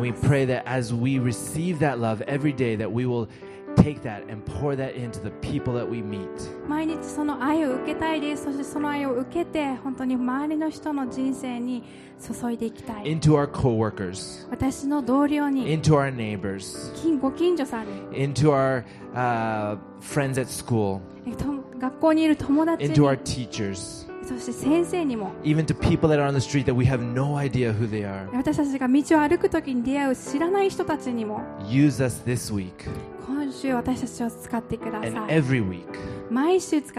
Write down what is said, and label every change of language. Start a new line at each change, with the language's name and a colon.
English: And we pray that as we receive that love every day, that we will take that and pour that into the people that we meet.
Japanese: 毎日その愛を受けたいです。そしてその愛を受けて本当に周りの人の人生に注いでいきたい。
English: Into our coworkers.
Japanese: 私の同僚に。
English: Into our neighbors.
Japanese: ご近所さんに。
English: Into our friends at school.
Japanese: 学校にいる友達に
English: Into our teachers.
Japanese: そして先生にも
English: Even to people that are on the street that we have no idea who they are.
Japanese: 私たちが道を歩くときに出会う知らない人たちにも
English: Use us this week.
Japanese: 今週私たちを使ってください。
English: And every week.
Japanese: 毎週使ってください。イエス様の名前でお祈りします。